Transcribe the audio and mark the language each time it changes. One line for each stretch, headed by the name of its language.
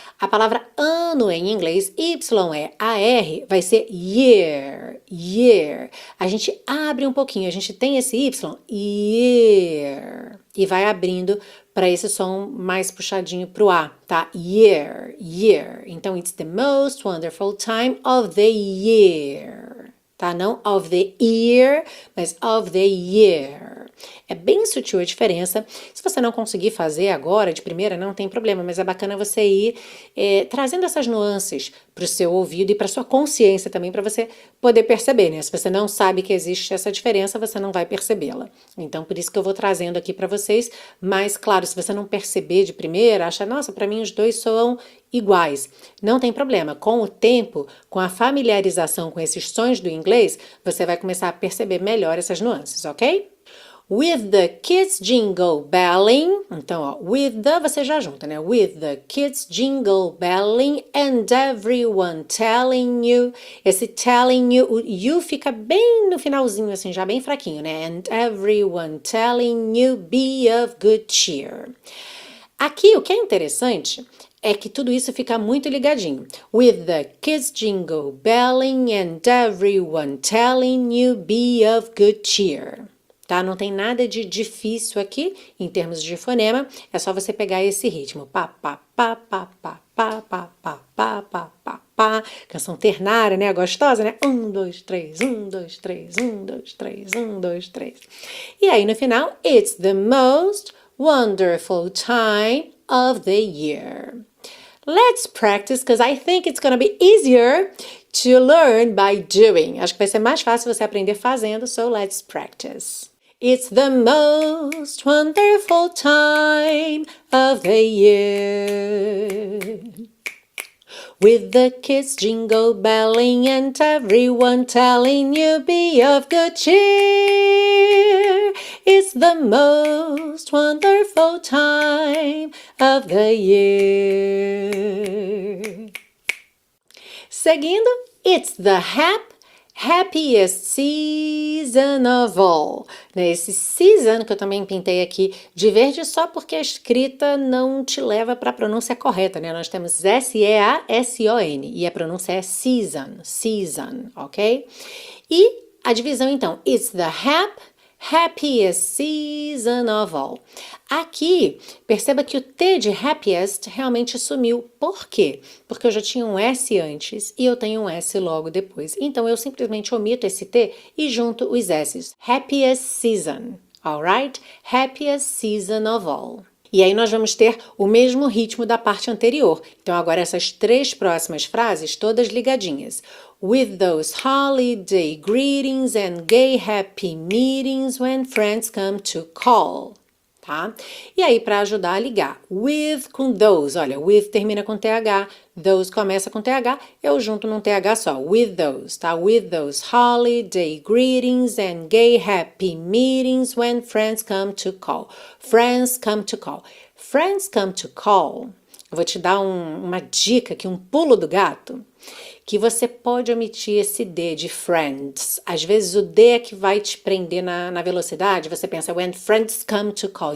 Portuguese: A palavra ano em inglês, Y é a R, vai ser year, year. A gente abre um pouquinho, a gente tem esse Y, year, e vai abrindo para esse som mais puxadinho para o A, tá?
English: Year, year. Então, it's the most wonderful time of the year. Tá?
Portuguese: Não
English: of the year,
Portuguese: mas
English: of the year.
Portuguese: É bem sutil a diferença. Se você não conseguir fazer agora, de primeira, não tem problema, mas é bacana você ir trazendo essas nuances para o seu ouvido e para sua consciência também, para você poder perceber, né? Se você não sabe que existe essa diferença, você não vai percebê-la. Então, por isso que eu vou trazendo aqui para vocês. Mas, claro, se você não perceber de primeira, acha, nossa, para mim os dois soam iguais. Não tem problema. Com o tempo, com a familiarização com esses sons do inglês, você vai começar a perceber melhor essas nuances, ok?
English: With the kids jingle belling.
Portuguese: Então, ó,
English: with the,
Portuguese: você já junta, né?
English: With the kids jingle belling and everyone telling you.
Portuguese: Esse telling you, o you fica bem no finalzinho, assim, já bem fraquinho, né?
English: And everyone telling you be of good cheer.
Portuguese: Aqui, o que é interessante é que tudo isso fica muito ligadinho.
English: With the kids jingle belling and everyone telling you be of good cheer.
Portuguese: Tá? Não tem nada de difícil aqui em termos de fonema, é só você pegar esse ritmo. Pá, pá, pá, pá, pá, pá, pá, pá, pá, pá, pá, pá. Canção ternária, né? Gostosa, né? Um, dois, três, um, dois, três, um, dois, três, um, dois, três. E aí no final,
English: it's the most wonderful time of the year. Let's practice, because I think it's going to be easier to learn by doing.
Portuguese: Acho que vai ser mais fácil você aprender fazendo,
English: so let's practice. It's the most wonderful time of the year. With the kids jingle belling and everyone telling you be of good cheer. It's the most wonderful time of the year.
Portuguese: Seguindo,
English: it's the happiest season of all.
Portuguese: Esse season que eu também pintei aqui de verde só porque a escrita não te leva para a pronúncia correta, né? Nós temos S-E-A-S-O-N e a pronúncia é season, season, ok? E a divisão então,
English: it's the happiest season of all.
Portuguese: Aqui, perceba que o T de happiest realmente sumiu. Por quê? Porque eu já tinha um S antes e eu tenho um S logo depois. Então, eu simplesmente omito esse T e junto os S's.
English: Happiest season, alright? Happiest season of all.
Portuguese: E aí, nós vamos ter o mesmo ritmo da parte anterior. Então, agora essas três próximas frases todas ligadinhas.
English: With those holiday greetings and gay happy meetings when friends come to call.
Portuguese: Tá? E aí, para ajudar a ligar, with com those, olha, with termina com TH, those começa com TH, eu junto num TH só,
English: with those,
Portuguese: tá?
English: With those holiday greetings and gay happy meetings when friends come to call. Friends come to call. Friends come to call,
Portuguese: eu vou te dar uma dica aqui, um pulo do gato, que você pode omitir esse D de friends. Às vezes o D é que vai te prender na velocidade. Você pensa,
English: when friends come to call.